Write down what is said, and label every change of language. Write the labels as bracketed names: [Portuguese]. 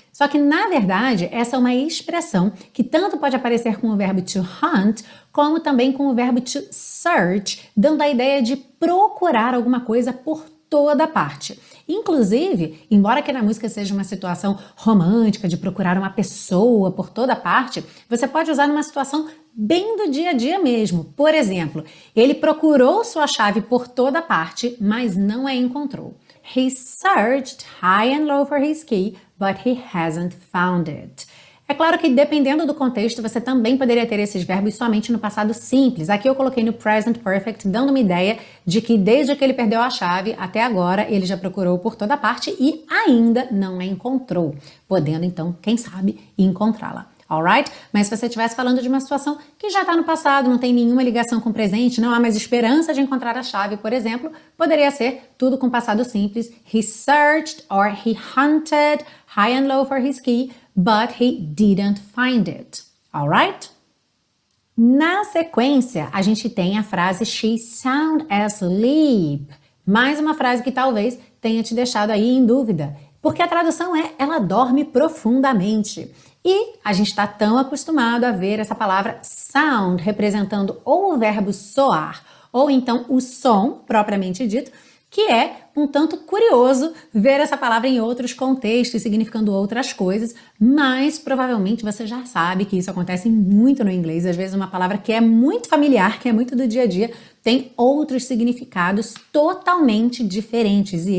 [Portuguese] Só que na verdade, essa é uma expressão que tanto pode aparecer com o verbo to hunt, como também com o verbo to search, dando a ideia de procurar alguma coisa por toda parte. Inclusive, embora que na música seja uma situação romântica, de procurar uma pessoa por toda parte, você pode usar numa situação bem do dia a dia mesmo. Por exemplo, ele procurou sua chave por toda parte, mas não a encontrou. [English] He searched high and low for his key, but he hasn't found it. [Portuguese] É claro que dependendo do contexto, você também poderia ter esses verbos somente no passado simples. Aqui eu coloquei no present perfect, dando uma ideia de que desde que ele perdeu a chave até agora, ele já procurou por toda parte e ainda não a encontrou, podendo então, quem sabe, encontrá-la. [English] Alright? [Portuguese] Mas se você estivesse falando de uma situação que já está no passado, não tem nenhuma ligação com o presente, não há mais esperança de encontrar a chave, por exemplo, poderia ser tudo com passado simples. [English] He searched or he hunted high and low for his key, but he didn't find it. Alright? [Portuguese] Na sequência, a gente tem a frase [English] she sound asleep. [Portuguese] Mais uma frase que talvez tenha te deixado aí em dúvida, porque a tradução é ela dorme profundamente. E a gente está tão acostumado a ver essa palavra sound representando ou o verbo soar, ou então o som propriamente dito, que é um tanto curioso ver essa palavra em outros contextos, significando outras coisas, mas provavelmente você já sabe que isso acontece muito no inglês. Às vezes, uma palavra que é muito familiar, que é muito do dia a dia, tem outros significados totalmente diferentes.